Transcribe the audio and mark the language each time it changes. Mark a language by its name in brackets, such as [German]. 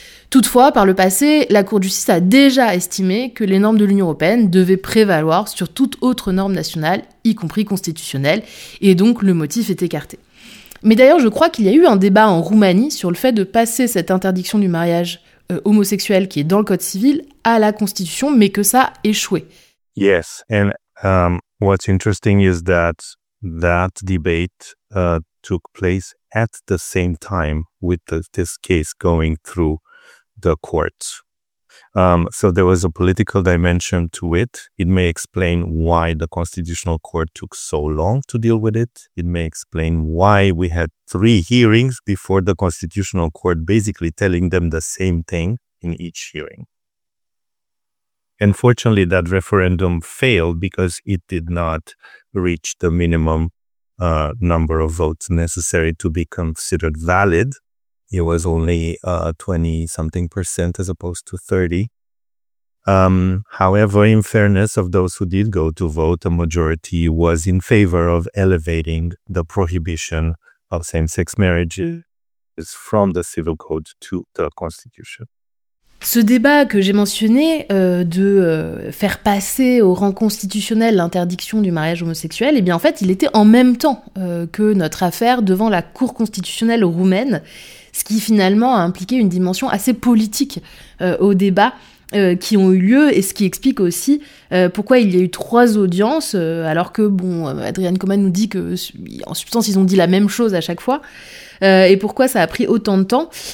[French] Toutefois, par le passé, la Cour de justice a déjà estimé que les normes de l'Union européenne devaient prévaloir sur toute autre norme nationale, y compris constitutionnelle, et donc le motif est écarté. Mais d'ailleurs, je crois qu'il y a eu un débat en Roumanie sur le fait de passer cette interdiction du mariage homosexuel qui est dans le Code civil à la Constitution, mais que ça a échoué. [English] Yes, and what's interesting is that that debate took place at the same time with this case going through the courts. So there was a political dimension to it. It may explain why the Constitutional Court took so long to deal with it. It may explain why we had three hearings before the Constitutional Court basically telling them the same thing in each hearing. Unfortunately, that referendum failed because it did not reach the minimum number of votes necessary to be considered valid. It was only 20-something percent as opposed to 30. However, in fairness, of those who did go to vote, a majority was in favor of elevating the prohibition of same-sex marriages from the Civil Code to the Constitution. [French] Ce débat que j'ai mentionné faire passer au rang constitutionnel l'interdiction du mariage homosexuel, eh bien en fait, il était en même temps que notre affaire devant la Cour constitutionnelle roumaine, ce qui finalement a impliqué une dimension assez politique au débat qui ont eu lieu, et ce qui explique aussi pourquoi il y a eu trois audiences, alors que, bon, Adrian Coman nous dit que en substance, ils ont dit la même chose à chaque fois, et pourquoi ça a pris autant de temps.